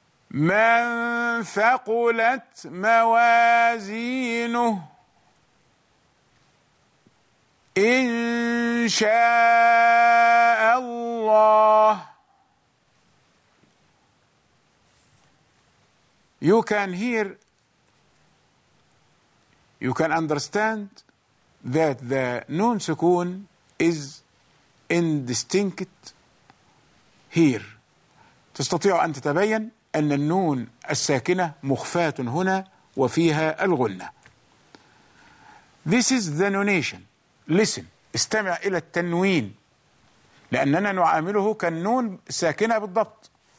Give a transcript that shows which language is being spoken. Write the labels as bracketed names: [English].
[Arabic] من ثقلت موازينه، إن شاء الله. [English] You can hear, you can understand that the noon sukun is indistinct here. [Arabic] تستطيع أن تتبين أن النون الساكنة مخفاة هنا وفيها الغنة. [English] This is the nonation. Listen. [Arabic] استمع إلى التنوين، لأننا نعامله كالنون الساكنة بالضبط.